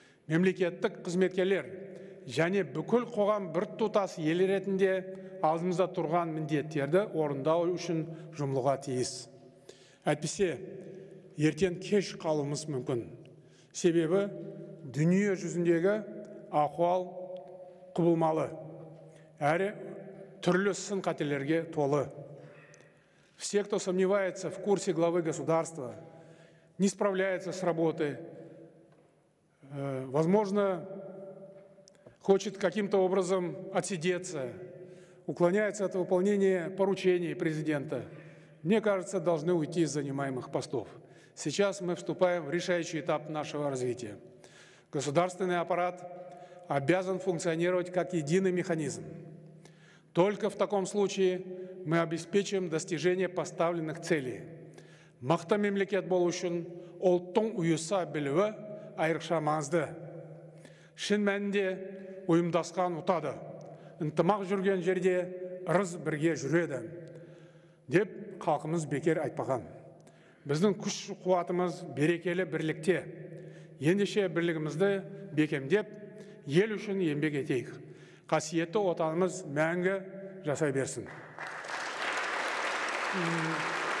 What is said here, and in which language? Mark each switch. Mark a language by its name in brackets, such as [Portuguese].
[Kazakh] Мемлекеттік қызметкерлер және бүкіл қоғам бір тұтас ел ретінде алдымызда тұрған міндеттерді орындау үшін жұмылуға тиіс. Әйтпесе, ертен кеш қалуымыз мүмкін. Себебі, дүние жүзіндегі ахуал құбылмалы, әрі түрлі сын-қатерлерге толы. [Russian] Все, кто сомневается в курсе главы государства, не справляется с работой, возможно, хочет каким-то образом отсидеться, уклоняется от выполнения поручений президента, мне кажется, должны уйти из занимаемых постов. Сейчас мы вступаем в решающий этап нашего развития. Государственный аппарат обязан функционировать как единый механизм. Только в таком случае мы обеспечим достижение поставленных целей. [Kazakh] Мақты мемлекет болу үшін ұлттың ұйыса білуі айрықша маңызды. Шын мәнінде ұйымдасқан ұтады. Ынтымақ жүрген жерде ырыс бірге жүреді. Деп халқымыз бекер айтпаған. Біздің күш-қуатымыз берекелі бірлікте. Ендеше бірлігімізді бекемдеп, ел үшін еңбек етейік. Қасиетті отанымыз мәңгі жасай берсін. Mm-hmm.